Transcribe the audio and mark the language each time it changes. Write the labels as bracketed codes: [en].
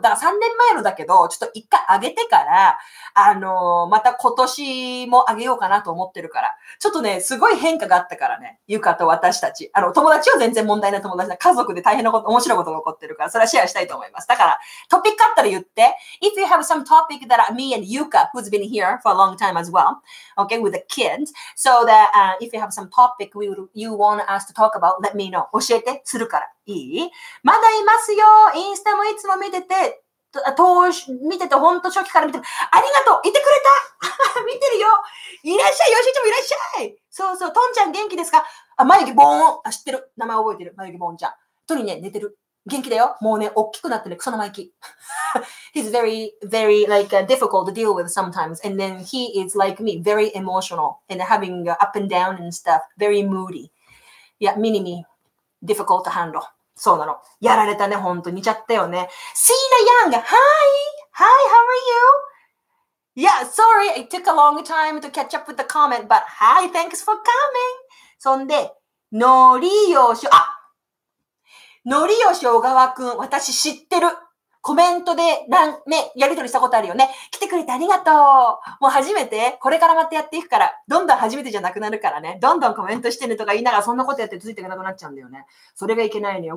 [ja] だから3年前のだけど、ちょっと一回上げてから、また今年も上げようかなと思ってるから。ちょっとね、すごい変化があったからね。ゆかと私たち。友達は全然問題ない友達だ。家族で大変なこと、面白いことが起こってるから、それはシェアしたいと思います。だから、トピックあったら言って。 [en] If you have some topic that me and Yuka, who's been here for a long time as well, okay, with the kids, so that, if you have some topic we would, you want us to talk about, let me know. [ja] 教えてするからいい？まだいますよ。インスタもいつも見てて、見てて本当初期から見てる。ありがとう。いてくれた。見てるよ。いらっしゃい。よしちゃんもいらっしゃい。そうそう。とんちゃん元気ですか？あ、眉毛ボーン。あ、知ってる。名前覚えてる。眉毛ボーンちゃん。とにね寝てる。元気だよ。もうね大きくなってる、ね、クソ生意気。 [en] He's very very like difficult to deal with sometimes, and then he is like me, very emotional and having up and down and stuff, very moody. Yeah, mini me. Difficult to handle. [ja] そうなの。やられたね。ほんと。似ちゃったよね。 [en] Sina Young! Hi! Hi! How are you? Yeah, sorry. It took a long time to catch up with the comment, but hi! Thanks for coming! [ja] そんで、のりよしょ、あ！のりよし小川くん、私知ってる。コメントで、ね、やりとりしたことあるよね。来てくれてありがとう。もう初めて、これからまたやっていくから、どんどん初めてじゃなくなるからね。どんどんコメントしてねとか言いながら、そんなことやってついていけなくなっちゃうんだよね。それがいけないのよ。